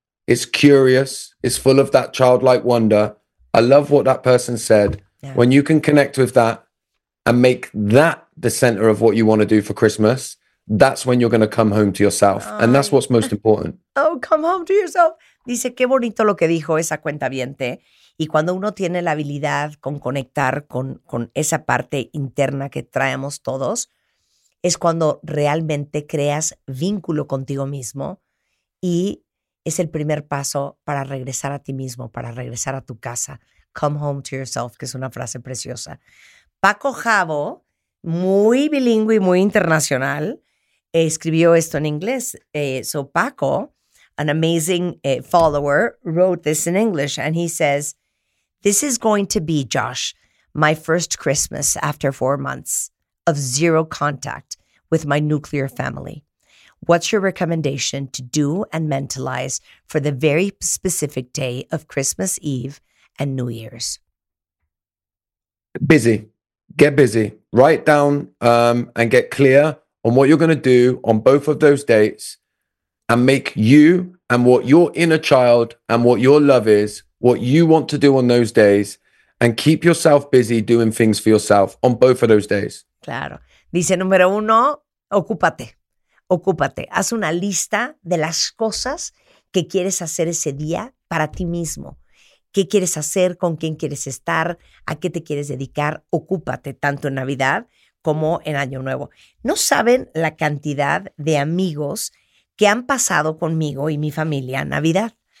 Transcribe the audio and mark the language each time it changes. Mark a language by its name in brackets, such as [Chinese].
[English] It's curious. It's full of that childlike wonder. I love what that person said. Yeah. When you can connect with that and make that the center of what you want to do for Christmas, that's when you're going to come home to yourself. Ay. And that's what's most important. Oh, come home to yourself. [Spanish] Dice, qué bonito lo que dijo esa cuentaviente. Y cuando uno tiene la habilidad con conectar con esa parte interna que traemos todos, es cuando realmente creas vínculo contigo mismo y es el primer paso para regresar a ti mismo, para regresar a tu casa. Come home to yourself, que es una frase preciosa. Paco Jabo, muy bilingüe y muy internacional, escribió esto en inglés. [English] So Paco, an amazing follower, wrote this in English and he says, "This is going to be, Josh, my first Christmas after 4 months of zero contact with my nuclear family. What's your recommendation to do and mentalize for the very specific day of Christmas Eve and New Year's?" Busy. Get busy. Write down and get clear on what you're going to do on both of those dates and make you and what your inner child and what your love is, what you want to do on those days, and keep yourself busy doing things for yourself on both of those days. [Spanish] Claro. Dice número uno, ocúpate. Ocúpate. Haz una lista de las cosas que quieres hacer ese día para ti mismo. ¿Qué quieres hacer? ¿Con quién quieres estar? ¿A qué te quieres dedicar? Ocúpate tanto en Navidad como en Año Nuevo. No saben la cantidad de amigos que han pasado conmigo y mi familia en Navidad.